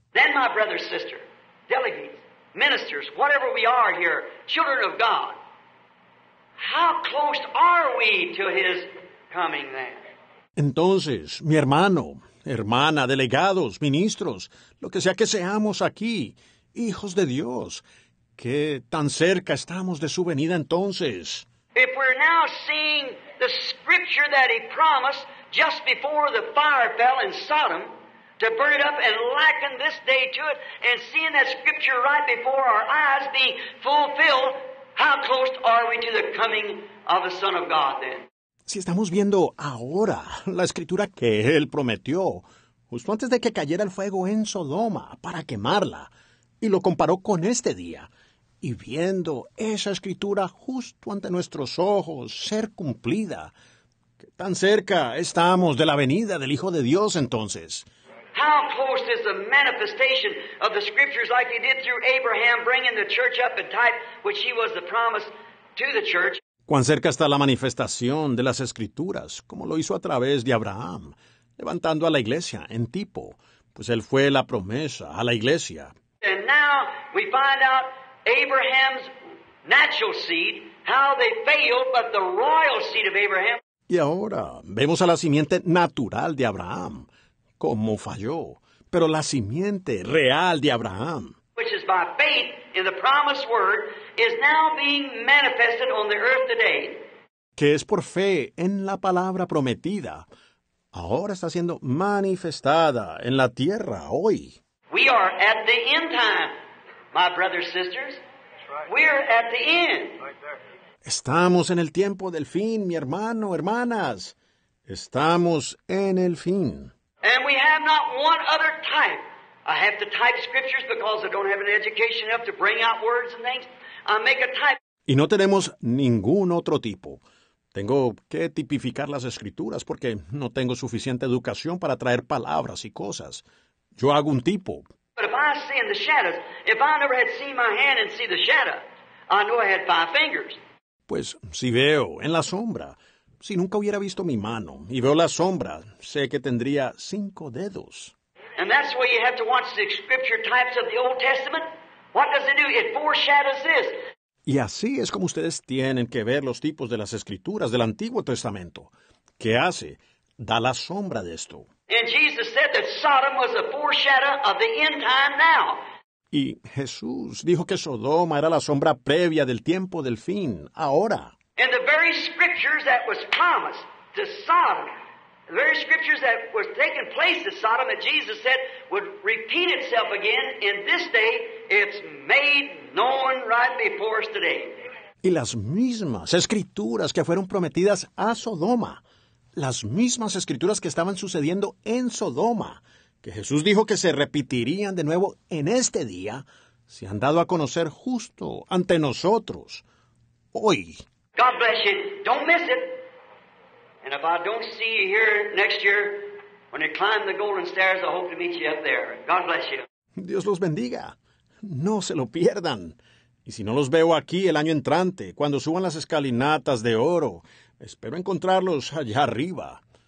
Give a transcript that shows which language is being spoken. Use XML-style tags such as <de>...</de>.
<en>Then my brother, sister, delegates, ministers, whatever we are here, children of God, how close are we to his coming then?</en> <es>Entonces, mi hermano, hermana, delegados, ministros, lo que sea que seamos aquí, hijos de Dios, ¿qué tan cerca estamos de su venida entonces?</es> <en>If we're now seeing the scripture that he promised just before the fire fell in Sodom to burn it up and liken this day to it, and seeing that scripture right before our eyes being fulfilled, how close are we to the coming of the Son of God then?</en> <es>Si estamos viendo ahora la escritura que él prometió, justo antes de que cayera el fuego en Sodoma para quemarla, y lo comparó con este día, y viendo esa escritura justo ante nuestros ojos ser cumplida, ¿qué tan cerca estamos de la venida del Hijo de Dios entonces?</es> <en>How close is the manifestation of the scriptures like he did through Abraham bringing the church up in type which he was the promise to the church?</en> <es>¿Cuán cerca está la manifestación de las escrituras como lo hizo a través de Abraham levantando a la iglesia en tipo, pues él fue la promesa a la iglesia?</es> <en>And now we find out Abraham's natural seed, how they failed, but the royal seed of Abraham.</en> <es>Y ahora vemos a la simiente natural de Abraham cómo falló, pero la simiente real de Abraham,</es> <en>which is by faith in the promised word, is now being manifested on the earth today.</en> <es>Que es por fe en la palabra prometida, ahora está siendo manifestada en la tierra hoy.</es> <en>We are at the end time, my brothers and sisters. That's right. We're at the end.</en> <es>Estamos en el tiempo del fin, mi hermano, hermanas. Estamos en el fin.</es> <en>And we have not one other type. I have to type scriptures because I don't have an education enough to bring out words and things. I make a type.</en> <es>Y no tenemos ningún otro tipo. Tengo que tipificar las escrituras porque no tengo suficiente educación para traer palabras y cosas. Yo hago un tipo.</es> <en>But if I see in the shadows, if I never had seen my hand and see the shadow, I know I had five fingers.</en> <es>Pues si veo en la sombra, si nunca hubiera visto mi mano y veo la sombra, sé que tendría cinco dedos.</es> <en>And that's why you have to watch the scripture types of the Old Testament. What does it do? It foreshadows this.</en> <es>Y así es como ustedes tienen que ver los tipos de las escrituras del Antiguo Testamento. ¿Qué hace? Da la sombra de esto.</es> <en>And Jesus said that Sodom was a foreshadow of the end time now.</en> <es>Y Jesús dijo que Sodoma era la sombra previa del tiempo del fin, ahora.</es> <en>And the very scriptures that was promised to Sodom, the very scriptures that was taking place to Sodom that Jesus said would repeat itself again in this day, it's made known right before us today.</en> <es>Y las mismas escrituras que fueron prometidas a Sodoma, las mismas escrituras que estaban sucediendo en Sodoma, que Jesús dijo que se repetirían de nuevo en este día, se han dado a conocer justo ante nosotros, hoy.</es> <en>God bless you. Don't miss it. And if I don't see you here next year, when you climb the golden stairs, I hope to meet you up there. God bless you.</en> <es>Dios los bendiga. No se lo pierdan. Y si no los veo aquí el año entrante, cuando suban las escalinatas de oro, espero encontrarlos allá arriba.</es>